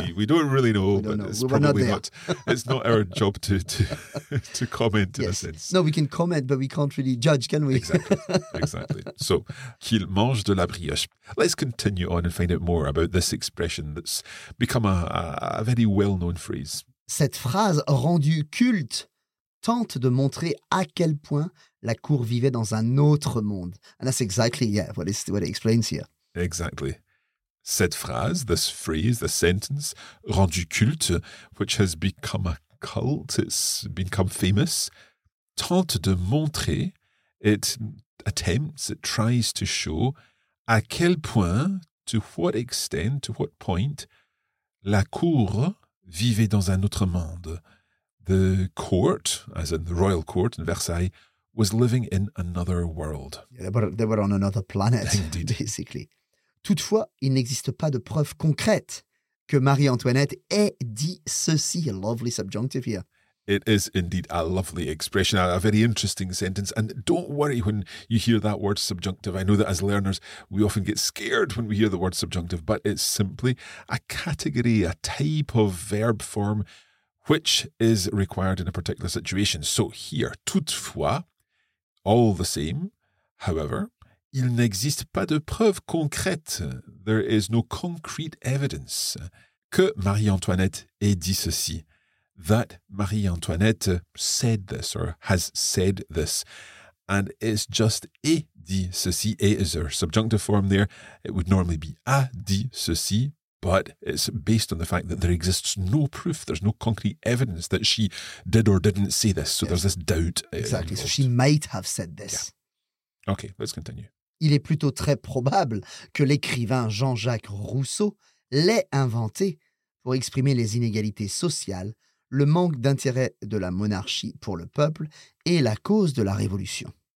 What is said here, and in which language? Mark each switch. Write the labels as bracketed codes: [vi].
[en] We don't really know, it's not our job to comment in a sense. No, we can comment, but we can't really judge, can we? Exactly. So, [fr] qu'il mange de la brioche. [en] Let's continue on and find out more about this expression that's become a very well-known phrase. [fr] Cette phrase rendue culte tente de montrer à quel point la cour vivait dans un autre monde. [en] And that's exactly what it explains here. Exactly. [fr] Cette phrase, [en] this phrase, the sentence, [fr] rendue culte, [en] which has become a cult, it's become famous, [fr] tente de montrer, [en] it attempts, it tries to show, [fr] à quel point, [en] to what extent, to what point, [fr] la cour vivait dans un autre monde. [en] The court, as in the royal court in Versailles, was living in another world. Yeah, they were on another planet, indeed. Basically. [fr] Toutefois, il n'existe pas de preuve concrète que Marie-Antoinette ait dit ceci. [en] A lovely subjunctive here. It is indeed a lovely expression, a very interesting sentence. And don't worry when you hear that word subjunctive. I know that as learners, we often get scared when we hear the word subjunctive, but it's simply a category, a type of verb form which is required in a particular situation. So here, [fr] toutefois, [en] all the same, however, [fr] il n'existe pas de preuve concrète. [en] There is no concrete evidence [fr] que Marie-Antoinette ait dit ceci. [en] That Marie-Antoinette said this or has said this. And it's just [fr] a dit ceci. [en] A is her subjunctive form there. It would normally be [fr] a dit ceci. [en] But it's based on the fact that there exists no proof. There's no concrete evidence that she did or didn't say this. So yes. There's this doubt. Exactly. So she might have said this. Yeah. Okay, let's continue. [fr] Il est plutôt très probable que l'écrivain Jean-Jacques Rousseau l'ait inventé pour exprimer les inégalités sociales, le manque d'intérêt de la monarchie pour le peuple et la cause de la révolution.